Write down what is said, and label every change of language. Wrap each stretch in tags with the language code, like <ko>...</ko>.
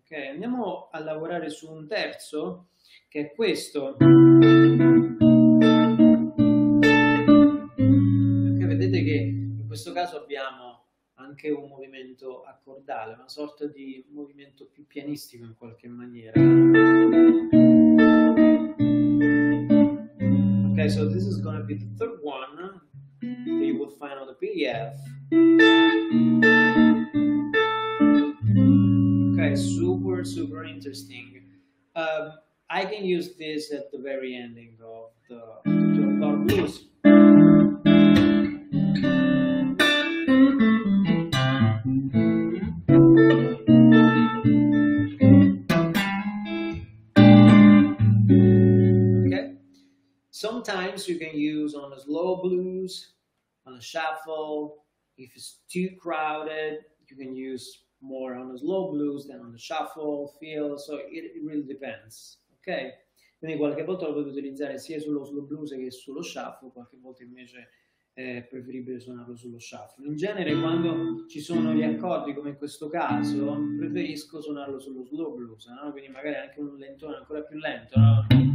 <it>Ok, andiamo a lavorare su un terzo, che è questo. In questo caso abbiamo anche un movimento accordale, una sorta di movimento più pianistico in qualche maniera.</it> <en>Ok, so this is gonna be the third one that you will find on the PDF. Ok, super super interesting. I can use this at the very ending of the 12th bar blues. Sometimes you can use on a slow blues, on a shuffle. If it's too crowded, you can use more on a slow blues than on the shuffle feel. So it really depends. Ok?</en> <it>Quindi qualche volta lo potete utilizzare sia sullo slow blues che sullo shuffle, qualche volta invece è preferibile suonarlo sullo shuffle. In genere, quando ci sono gli accordi, come in questo caso, preferisco suonarlo sullo slow blues, no? Quindi magari anche un lentone ancora più lento, no?</it>